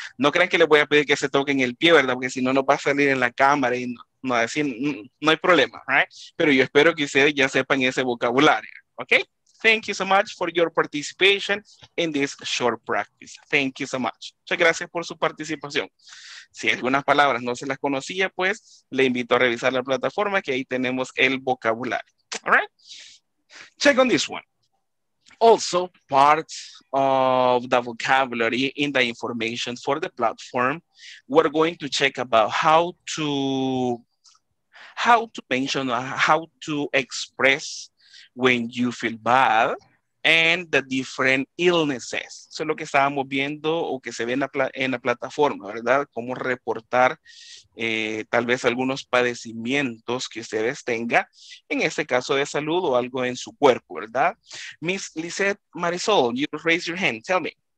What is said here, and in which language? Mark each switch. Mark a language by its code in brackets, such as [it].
[es] No crean que les voy a pedir que se toquen el pie, ¿verdad? Porque si no, no va a salir en la cámara y no, no va a decir, no hay problema, right? Pero yo espero que ustedes ya sepan ese vocabulario, okay? [en] Thank you so much for your participation in this short practice. Thank you so much. [es] Muchas gracias por su participación. Si algunas palabras no se las conocía, pues le invito a revisar la plataforma que ahí tenemos el vocabulario. [en] All right? Check on this one. Also, part of the vocabulary in the information for the platform, we're going to check about how to mention, how to express when you feel bad, and the different illnesses. [es] Eso es lo que estábamos viendo o que se ve en la plataforma, ¿verdad? Cómo reportar tal vez algunos padecimientos que ustedes tengan, en este caso de salud o algo en su cuerpo, ¿verdad? [en] Miss Lizette Marisol, you raise your hand, tell me.